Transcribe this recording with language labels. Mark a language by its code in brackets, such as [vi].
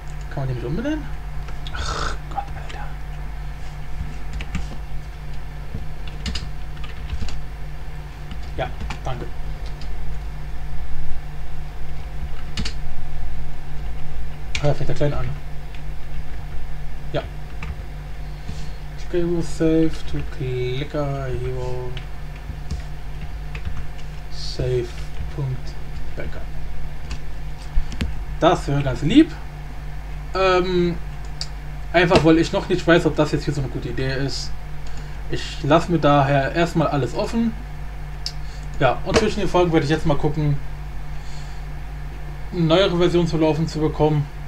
[de] Kann man die nicht umbenennen? Ach Gott, Alter. Ja, danke. Ah, da fängt der Kleine an. Ja. [en] Okay, we'll save to clicker hero save.backup. [de] Das wäre ganz lieb. Einfach weil ich noch nicht weiß, ob das jetzt hier so eine gute Idee ist. Ich lasse mir daher erstmal alles offen. Ja, und zwischen den Folgen werde ich jetzt mal gucken, eine neuere Version zu laufen zu bekommen.